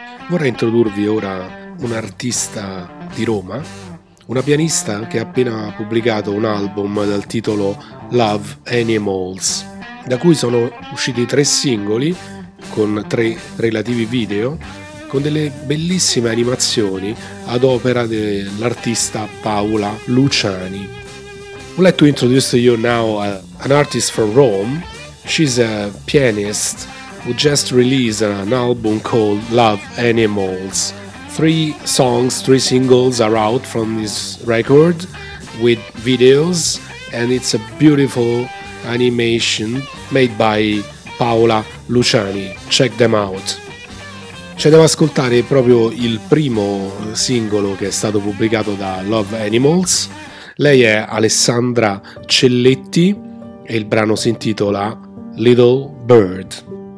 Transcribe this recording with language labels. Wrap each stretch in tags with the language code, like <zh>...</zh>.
<it>Vorrei introdurvi ora un artista di Roma, una pianista che ha appena pubblicato un album dal titolo Love Animals, da cui sono usciti tre singoli con tre relativi video con delle bellissime animazioni ad opera dell'artista Paola Luciani.</it> <en>Would like to introduce to you now an artist from Rome. She's a pianist who just released an album called Love Animals. Three singles are out from this record with videos, and it's a beautiful animation made by Paola Luciani. Check them out.</en> <it>Ci andiamo ad ascoltare proprio il primo singolo che è stato pubblicato da Love Animals. Lei è Alessandra Celletti e il brano si intitola Little Bird.</it>